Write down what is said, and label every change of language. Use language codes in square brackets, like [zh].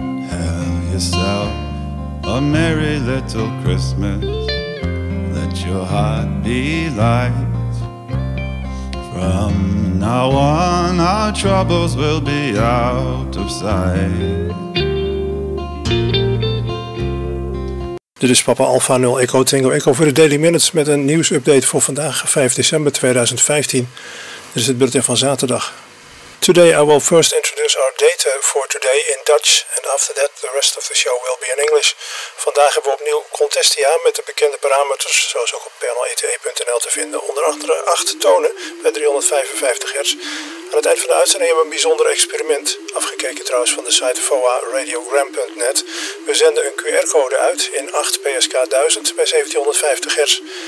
[en] Have yourself a merry little Christmas. Let your heart be light. From now on, our troubles will be out of sight. [nl] Dit is Papa Alpha 0 Echo Tango Echo voor de Daily Minutes met een nieuwsupdate voor vandaag, 5 december 2015. Dit is het bulletin van zaterdag. [en] Today I will first introduce our data for today in Dutch and after that the rest of the show will be in English. [nl] Vandaag hebben we opnieuw Contestia met de bekende parameters, zoals ook op panelete.nl te vinden, onder andere 8 tonen bij 355 Hz. Aan het eind van de uitzending hebben we een bijzonder experiment, afgekeken trouwens van de site voa-radiogram.net. We zenden een QR-code uit in 8 PSK 1000 bij 1750 Hz.